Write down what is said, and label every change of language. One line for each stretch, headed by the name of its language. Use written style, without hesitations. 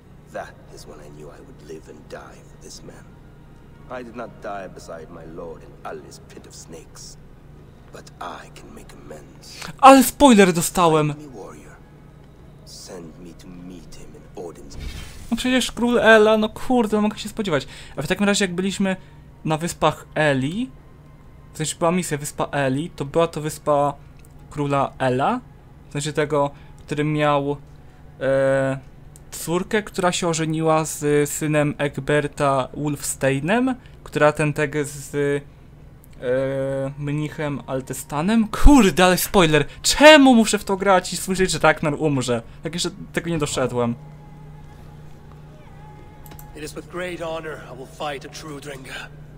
English: That is when I knew I would live and die for this man. I did not die beside my lord in Ali's pit of snakes. But I can make amends.
Polish: Ale spoiler dostałem!
English: Send me to meet him in Odin's...
Polish: No przecież król Ela, no kurde, no mogę się spodziewać. A w takim razie jak byliśmy na wyspach Eli, to znaczy była misja wyspa Eli, to była to wyspa króla Ela, w sensie tego, który miał córkę, która się ożeniła z synem Egberta Wulfsteinem, która ten tag z mnichem Altestanem. Kurde, ale spoiler! Czemu muszę w to grać i słyszeć, że Ragnar umrze? Tak jeszcze tego nie doszedłem.
English: It is with great honor I will fight a true Drenga.